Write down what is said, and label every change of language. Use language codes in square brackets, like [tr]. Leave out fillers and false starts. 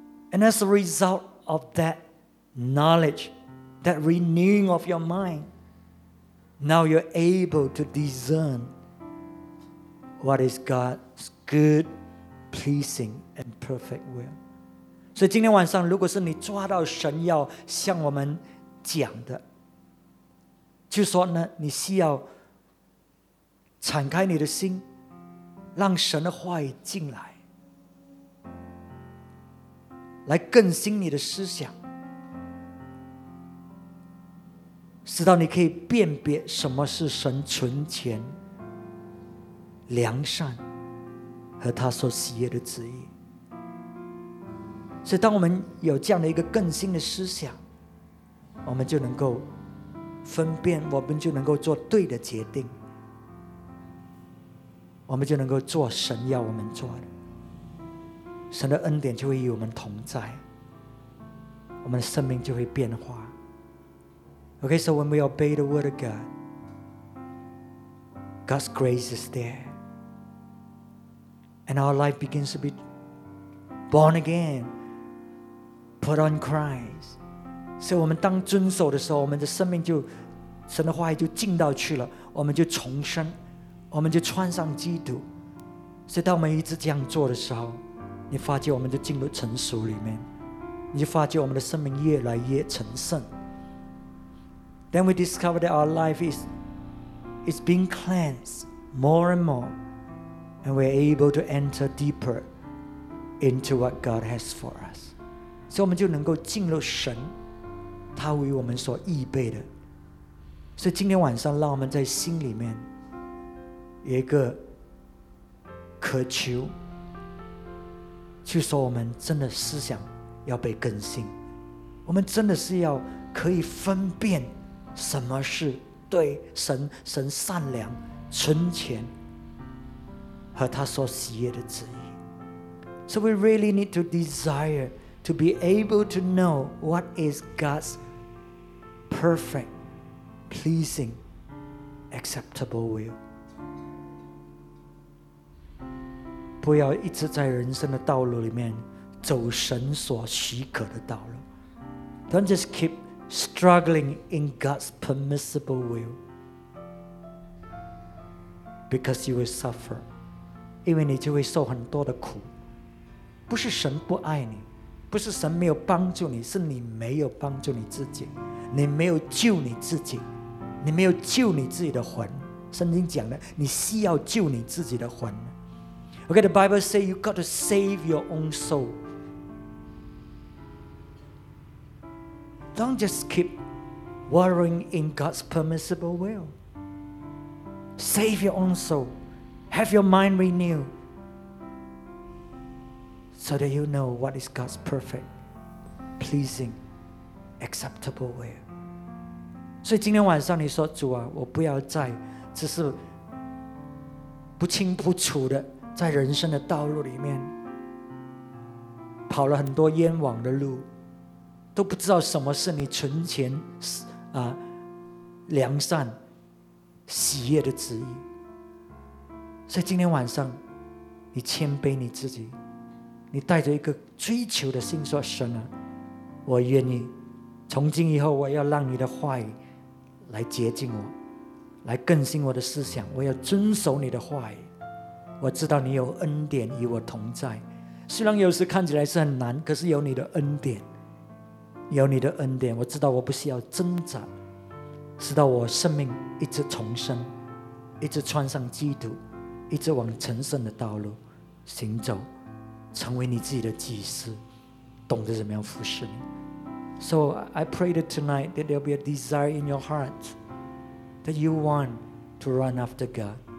[en] And as a result of that knowledge, that renewing of your mind,Now you're able to discern what is God's good, pleasing, and perfect will. [zh] So, 今天晚上，如果是你抓到神要向我们讲的，就说呢，你需要敞开你的心，让神的话语进来，来更新你的思想。直到你可以辨别什么是神纯全良善和他所喜悦的旨意，所以当我们有这样的一个更新的思想，我们就能够分辨，我们就能够做对的决定，我们就能够做神要我们做的，神的恩典就会与我们同在，我们的生命就会变化。 [en] Okay, so when we obey the word of God, God's grace is there. And our life begins to be born again, put on Christ. So when we [zh] 当遵守的时候，我们的生命就，神的话语就进到去了，我们就重生，我们就穿上基督。所以当我们一直这样做的时候，你发觉我们就进入成熟里面，你就发觉我们的生命越来越成圣。 [en] Then we discover that our life is being cleansed more and more, and we're able to enter deeper into what God has for us. So we can enter into what God has prepared for us. So tonight, let us have a request in our heart to say that we really want to be renewed in our thoughts. We really want to be able to discern. [zh] 什么是对神善良纯全和他所喜悦的旨意。 [en] So we really need to desire to be able to know what is God's perfect, pleasing, acceptable will. [zh] 不要一直在人生的道路里面走神所许可的道路。 [en] Don't just keep struggling in God's permissible will because you will suffer [zh] 因为你就会受很多的苦不是神不爱你不是神没有帮助你，是你没有帮助你自己，你没有救你自己，你没有救你自己的魂。圣经讲的，你需要救你自己的魂。 [en] Okay, the Bible says you got to save your own soul. Don't just keep wallowing in God's permissible will. Save your own soul. Have your mind renewed so that you know what is God's perfect, pleasing, acceptable will. [zh] 所以今天晚上你说，主啊，我不要再只是不清不楚的在人生的道路里面跑了很多冤枉的路，都不知道什么是你存钱、良善喜悦的旨意。所以今天晚上你谦卑你自己，你带着一个追求的心说，神啊，我愿意从今以后我要让你的话语来洁净我，来更新我的思想，我要遵守你的话语，我知道你有恩典与我同在。虽然有时看起来是很难，可是有你的恩典，有你的恩典，我知道我不需要挣扎，直到我生命一直重生，一直穿上基督，一直往成圣的道路行走，成为你自己的祭司，懂得怎么样服侍你。 [en] So I pray that tonight that there'll be a desire in your heart that you want to run after God.